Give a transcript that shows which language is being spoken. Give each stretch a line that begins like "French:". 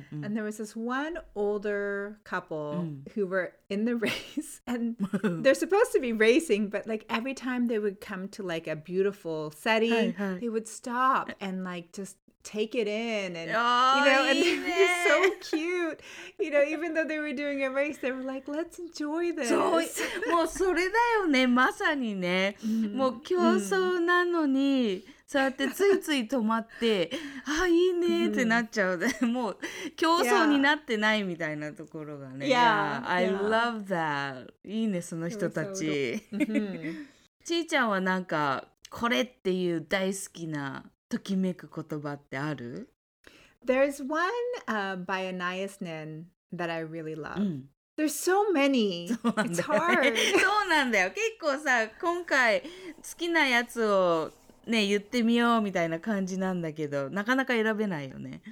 English: And there was this one older couple who were in the race, and they're supposed to be racing, but like every time they would come to like a beautiful setting, they would stop and like just take it in and and it's so cute. You know, even though they were doing a race, they were like, let's enjoy this.
Japanese: そう、もうそれだよね、まさにね。もう競争なのに、そうやってついつい止まって、あ、いいねってなっちゃう。もう競争になってないみたいなところがね。
English: Yeah, I love that.
Japanese: いいね、その人たち。ちーちゃんはなんか、これっていう大好きなときめく言葉ってある?
English: There's one by Anais Nin that I really love. There's so many. It's hard.
Japanese: そうなんだよ。結構さ、今回好きなやつをね、言ってみようみたいな感じなんだけど、なかなか選べないよね。